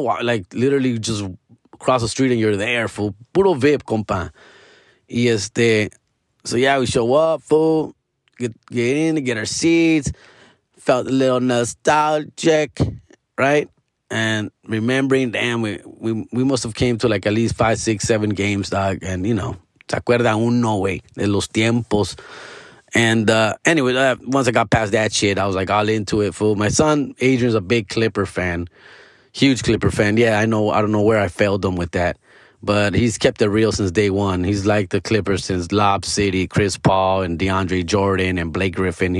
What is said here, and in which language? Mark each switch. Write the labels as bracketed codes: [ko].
[en] Like, literally just across the street and you're there, fool. [es] Puro VIP, compa. [en] So, yeah, we show up, fool. Get in, get our seats. Felt a little nostalgic, right? And remembering, damn, we must have came to, at least 5, 6, 7 games, dog. [es] And, te acuerdas uno, güey, de los tiempos. [en] And once I got past that shit, I was, all into it, fool. My son, Adrian's a big Clipper fan. Huge Clipper fan. Yeah, I know. I don't know where I failed him with that. But he's kept it real since day one. He's liked the Clippers since Lob City, Chris Paul, and DeAndre Jordan, and Blake Griffin.